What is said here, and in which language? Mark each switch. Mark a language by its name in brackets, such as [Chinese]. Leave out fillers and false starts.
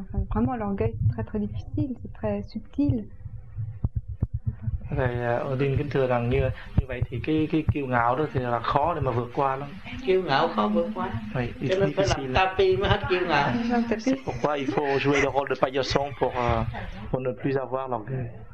[French] Enfin, vraiment, l'orgueil, c'est très très difficile, c'est très subtil. [Vietnamese] Thầy Odin kính thưa rằng như vậy thì cái kiêu ngạo đó thì là khó để mà vượt qua lắm. Kiêu ngạo khó vượt qua. Vậy thì phải [French] difficile. [Vietnamese] Làm tapis mới hết kiêu ngạo. [French] C'est pourquoi il faut jouer le rôle de paillasson pour ne plus avoir l'orgueil.